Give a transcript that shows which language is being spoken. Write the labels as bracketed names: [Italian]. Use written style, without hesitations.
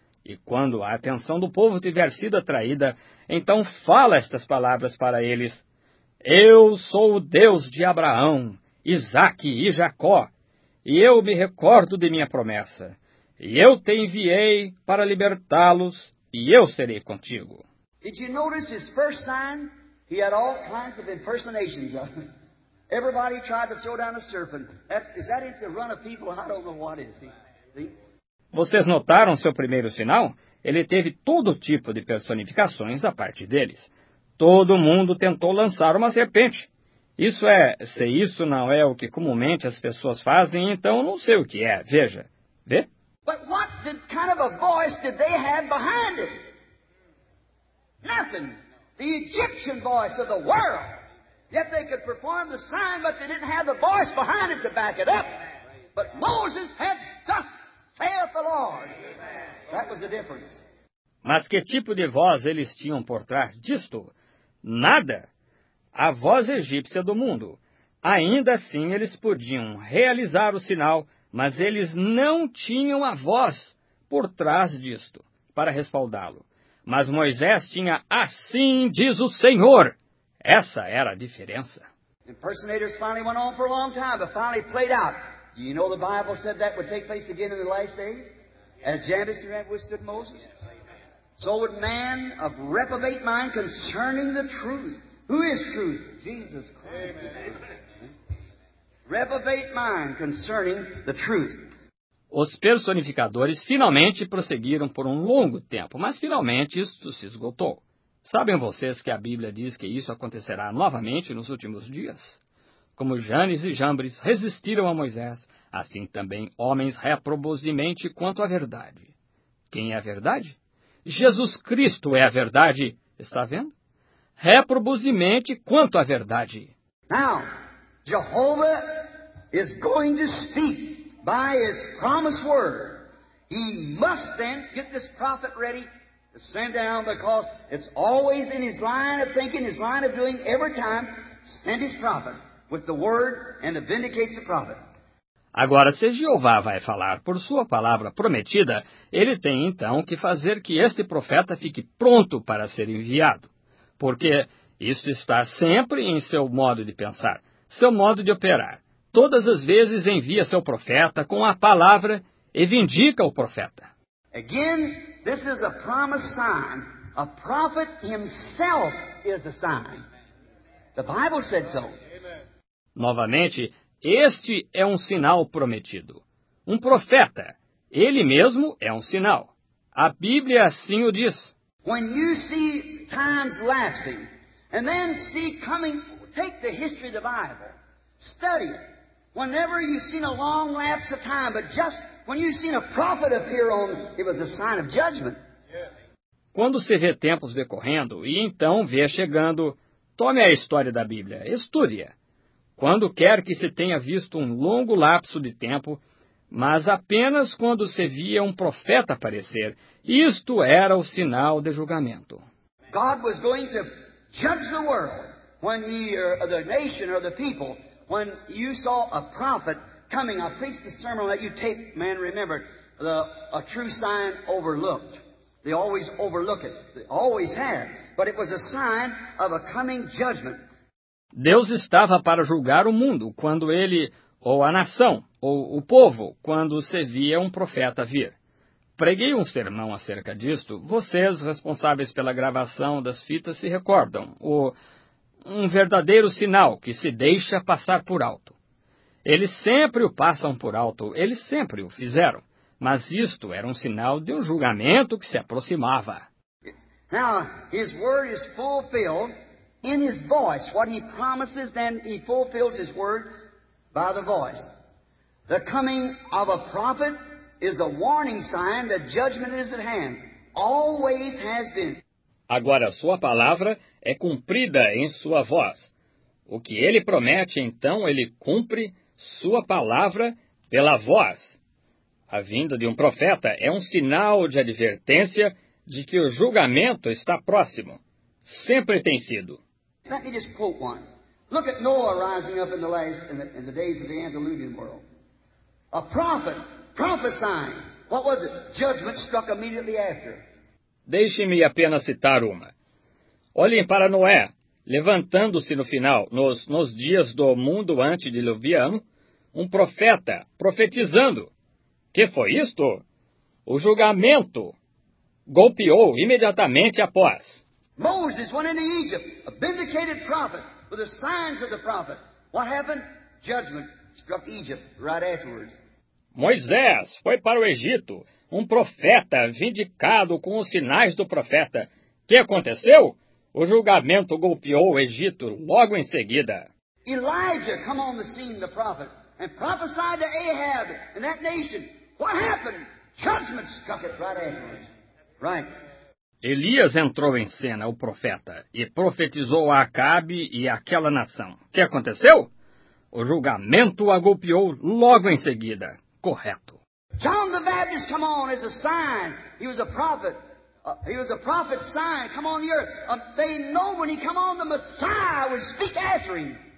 [Portuguese] E quando a atenção do povo tiver sido atraída, então fala estas palavras para eles. Eu sou o Deus de Abraão, Isaque e Jacó, e eu me recordo de minha promessa. E eu te enviei para libertá-los, e eu serei contigo. [English] Did you notice his first sign? He had all kinds of impersonations of him. Everybody tried to throw down a serpent. Is that into the run of people? I don't know what is. [Portuguese] Vocês notaram seu primeiro sinal? Ele teve todo tipo de personificações da parte deles. Todo mundo tentou lançar uma serpente. Isso é, se isso não é o que comumente as pessoas fazem, então não sei o que é. Veja. Vê? [English] But what kind of a voice did they have behind it? Nothing. The Egyptian voice of the world. Yet they could perform the sign, but they didn't have the voice behind it to back it up. But Moses had, thus saith the Lord. That was the difference. [Portuguese] Mas que tipo de voz eles tinham por trás disto? Nada. A voz egípcia do mundo. Ainda assim eles podiam realizar o sinal, mas eles não tinham a voz por trás disto para respaldá-lo. Mas Moisés tinha, assim diz o Senhor. Essa era a diferença. [English] Impersonators finally went on for a long time, but finally played out. Do you know the Bible said that would take place again in the last days? As Jabez withstood Moses? So would man of reprobate mind concerning the truth. Who is truth? Jesus Christ. Amen. Reprobate mind concerning the truth. [Portuguese] Os personificadores finalmente prosseguiram por um longo tempo, mas finalmente isto se esgotou. Sabem vocês que a Bíblia diz que isso acontecerá novamente nos últimos dias? Como Jannes e Jambres resistiram a Moisés, assim também homens reprobos de mente quanto à verdade. Quem é a verdade? Jesus Cristo é a verdade, está vendo? Reprobos de mente quanto à verdade. [English] Now, Jehovah is going to speak by his promised word. He must then get this prophet ready to send down, because it's always in his line of thinking, his line of doing, every time, send his prophet with the word and to vindicate the prophet. [Portuguese] Agora, se Jeová vai falar por sua palavra prometida, ele tem então que fazer que este profeta fique pronto para ser enviado, porque isto está sempre em seu modo de pensar, seu modo de operar. Todas as vezes envia seu profeta com a palavra e vindica o profeta. [English] Again, this is a promised sign. A prophet himself is a sign. The Bible said so. [Portuguese] Novamente, este é um sinal prometido. Um profeta, ele mesmo é um sinal. A Bíblia assim o diz. [English] When you see times lapsing, and then see coming, take the history of the Bible, study it. Whenever you've seen a long lapse of time, but just when you've seen a prophet appear on, it was a sign of judgment. [Portuguese] Quando se vê tempos decorrendo e então vê chegando, tome a história da Bíblia, estude-a. Quando quer que se tenha visto um longo lapso de tempo, mas apenas quando se via um profeta aparecer, isto era o sinal de julgamento. [English] God was going to judge the world when he, or the nation, or the people, when you saw a prophet coming, a priest, a sermon, let you take, man, remember, the, a true sign overlooked. They always overlook it. They always have. But it was a sign of a coming judgment. [Portuguese] Deus estava para julgar o mundo quando ele, ou a nação, ou o povo, quando se via um profeta vir. Preguei um sermão acerca disto. Vocês, responsáveis pela gravação das fitas, se recordam. Um verdadeiro sinal que se deixa passar por alto. Eles sempre o passam por alto, eles sempre o fizeram. Mas isto era um sinal de um julgamento que se aproximava. [English] Now, his word is fulfilled in his voice. What he promises, then he fulfills his word by the voice. The coming of a prophet is a warning sign that judgment is at hand. Always has been. [Portuguese] Agora, sua palavra é cumprida em sua voz. O que ele promete, então, ele cumpre sua palavra pela voz. A vinda de um profeta é um sinal de advertência de que o julgamento está próximo. Sempre tem sido. [English] Let me just quote one. Look at Noah rising up in the days of the Antediluvian world. A prophet prophesying. What was it? Judgment struck immediately after. [Portuguese] Deixe-me apenas citar uma. Olhem para Noé, levantando-se no final, nos dias do mundo antediluviano, um profeta profetizando. Que foi isto? O julgamento golpeou imediatamente após. [English] Moses went into Egypt, a vindicated prophet, with the signs of the prophet. What happened? Judgment struck Egypt right afterwards. [Portuguese] Moisés foi para o Egito, um profeta vindicado com os sinais do profeta. O que aconteceu? O julgamento golpeou o Egito logo em seguida. [English] Elijah come on the scene, the prophet, and prophesied to Ahab and that nation. What happened? Judgment struck it right afterwards. Right. [Portuguese] Elias entrou em cena, o profeta, e profetizou a Acabe e aquela nação. O que aconteceu? O julgamento a golpeou logo em seguida. Correto. [English] John the Baptist, come on, as a sign. He was a prophet. He was a prophet sign. Come on the earth. They know when he come on, the Messiah would speak after him.